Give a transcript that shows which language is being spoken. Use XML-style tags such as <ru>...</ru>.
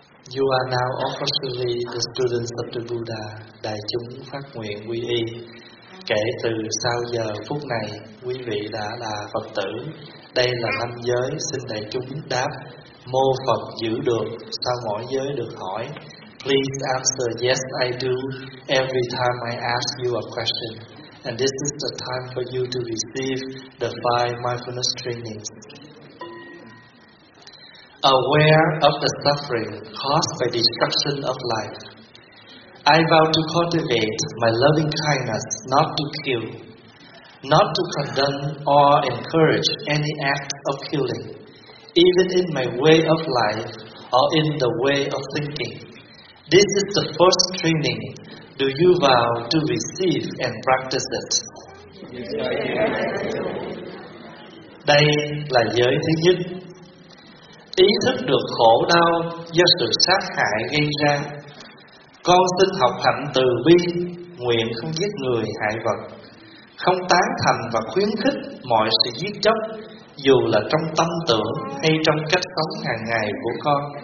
<en>You are now officially the students of the Buddha,</en> <vi>đại chúng phát nguyện quy y. Kể từ sau giờ phút này, quý vị đã là Phật tử. Đây là năm giới, xin đại chúng đáp. Mô Phật giữ được, sau mỗi giới được hỏi.</vi> <en>Please answer yes I do every time I ask you a question. And this is the time for you to receive the 5 mindfulness trainings. Aware of the suffering caused by destruction of life. I vow to cultivate my loving kindness, not to kill, not to condemn or encourage any act of killing, even in my way of life or in the way of thinking. This is the first training. Do you vow to receive and practice it?</en> <vi>Đây là giới thứ nhất. Ý thức được khổ đau do sự sát hại gây ra. Con xin học hạnh từ bi, nguyện không giết người hại vật, không tán thành và khuyến khích mọi sự giết chóc, dù là trong tâm tưởng hay trong cách sống hàng ngày của con.</vi>